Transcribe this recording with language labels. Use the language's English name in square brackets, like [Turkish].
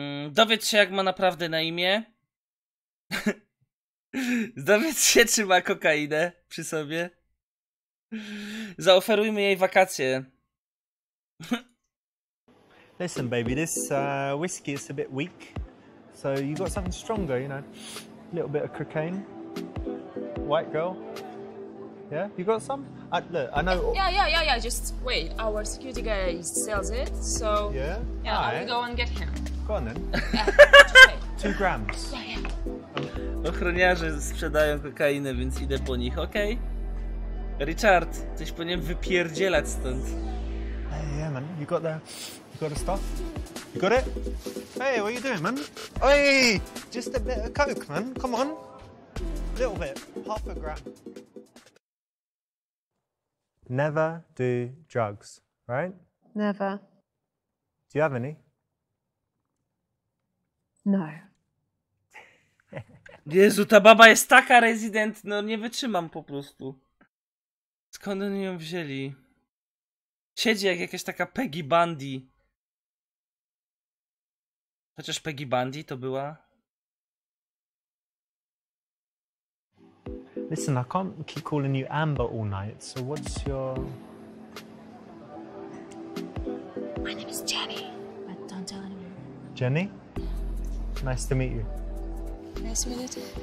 [Polish] Dowiedz się, jak ma naprawdę na imię. Dowiedz się, czy ma kokainę przy sobie. Zaoferujmy jej wakacje. [English] Listen, baby, this whiskey is a bit weak, so you got something stronger, you know, a little bit of cocaine, white girl, yeah, you got some? I know... Yeah, just wait, our security guy sells it, so... Yeah? Yeah, I'll go and get him. Go on then. Yeah, 2 grams. Yeah. [Polish] Ochroniarze sprzedają kokainę, więc idę po nich, okej? Okay. Richard, coś po nim wypierdzielać stąd. [English] Hey, yeah, man, you got the... You got the stuff? You got it? Hey, what are you doing, man? Hey, just a bit of coke, man. Come on. A little bit. Half a gram. Never do drugs, right? Never. Do you have any? No. [Polish] Jezu, ta baba jest taka rezydent, no nie wytrzymam po prostu. Skąd oni ją wzięli? Siedzi jak jakaś taka Peggy Bundy. Chociaż Peggy Bundy to była. [English] Listen, I can't keep calling you Amber all night, so what's your... My name is Jenny, but don't tell anyone. Jenny? Nice to meet you. Nice to meet you too.